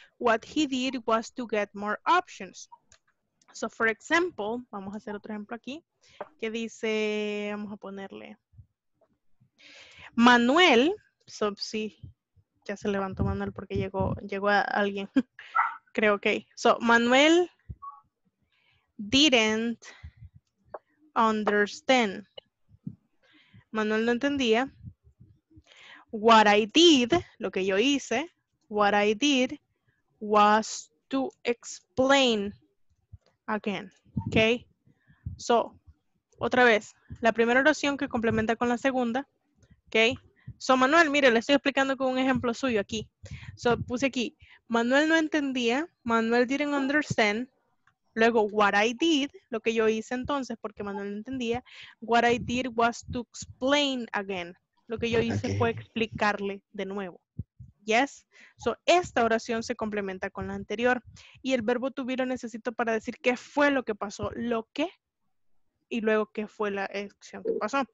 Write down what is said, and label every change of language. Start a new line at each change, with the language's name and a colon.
English: What he did was to get more options.
Spanish: So, for example, vamos a hacer otro ejemplo aquí, que dice, vamos a ponerle, Manuel, so, sí, ya se levantó Manuel porque llegó alguien. creo que.
English: So, Manuel didn't understand.
Spanish: Manuel no entendía.
English: What I did,
Spanish: lo que yo hice,
English: what I did was to explain again. Okay?
Spanish: So, otra vez, la primera oración que complementa con la segunda. Okay? So, Manuel, mire, le estoy explicando con un ejemplo suyo aquí. So, puse aquí, Manuel no entendía,
English: Manuel didn't understand.
Spanish: Luego,
English: what I did,
Spanish: lo que yo hice entonces, porque Manuel no entendía,
English: what I did was to explain again.
Spanish: Lo que yo hice okay. fue explicarle de nuevo. Yes? So, esta oración se complementa con la anterior. Y el verbo to be lo necesito para decir qué fue lo que pasó, lo que, y luego qué fue la acción que pasó.